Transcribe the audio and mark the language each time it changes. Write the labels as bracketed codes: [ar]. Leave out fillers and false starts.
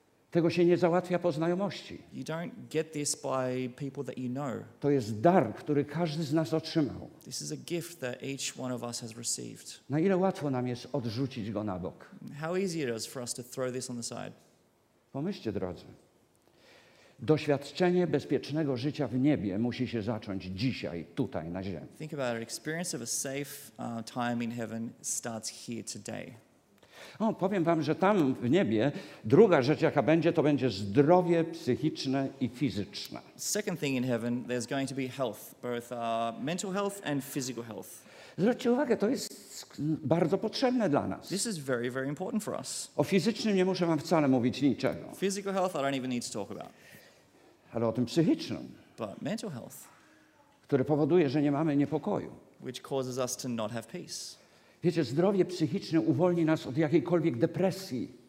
[pl] Tego się nie załatwia po znajomości. [en] You don't get this by people that you know. [pl] To jest dar, który każdy z nas otrzymał. [en] This is a gift that each one of us has received. [pl] Na ile łatwo nam jest odrzucić go na bok? [en] How easy it is for us to throw this on the side. [pl] Pomyślcie, drodzy. Doświadczenie bezpiecznego życia w niebie musi się zacząć dzisiaj, tutaj na ziemi. [en] Think about it. Experience of a safe time in heaven starts here today. [pl] No, powiem wam, że tam w niebie druga rzecz, jaka będzie, to będzie zdrowie psychiczne i fizyczne. [en] Second thing in heaven, there's going to be health, both mental health and physical health. [pl] Zwróćcie uwagę, to jest bardzo potrzebne dla nas. [en] This is very, very important for us. [pl] O fizycznym nie muszę wam wcale mówić niczego. [en] Physical health, I don't even need to talk about. [pl] Ale o tym psychicznym, [en] but mental health, [pl] który powoduje, że nie mamy niepokoju. [en] Which causes us to not have peace. [pl] Wiecie, zdrowie psychiczne uwolni nas od jakiejkolwiek depresji.